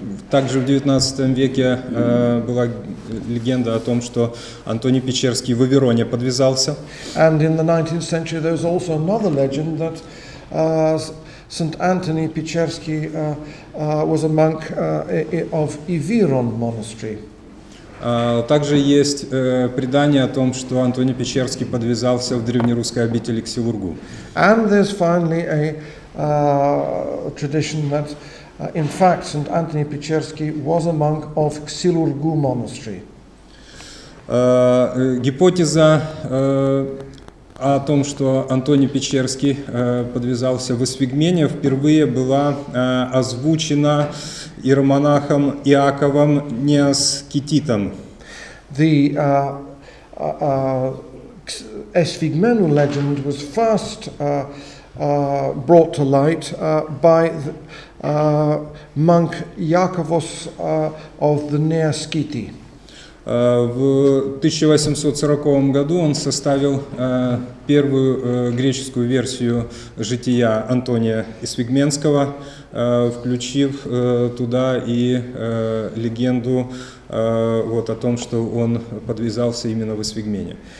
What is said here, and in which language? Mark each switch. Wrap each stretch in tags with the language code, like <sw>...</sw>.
<ru>Также в 19 веке была легенда о том, что Антоний Печерский в Вероне подвязался.</ru> <en>And in the 19th century there was also another legend that St. Anthony Pechersky was a monk of Iviron monastery.</en> <ru>Также есть предание о том, что Антоний Печерский подвязался в древнерусской обители к Силургу.</ru> <en>And there's finally a tradition that in fact, St. Anthony Pechersky was a monk of Xilurgu monastery.</en> <ru>Гипотеза о том, что Антоний Печерский подвязался в Эсфигмене, впервые была озвучена иеромонахом Иаковом Неаскетитом.</ru> <en>The Esfigmenu legend was first brought to light by the monk Iakovos of the Neaskiti.</en> <ru>В 1840 году он составил первую греческую версию жития Антония Эсфигменского, включив туда и легенду вот о том, что он подвязался именно в Эсфигмене.</ru>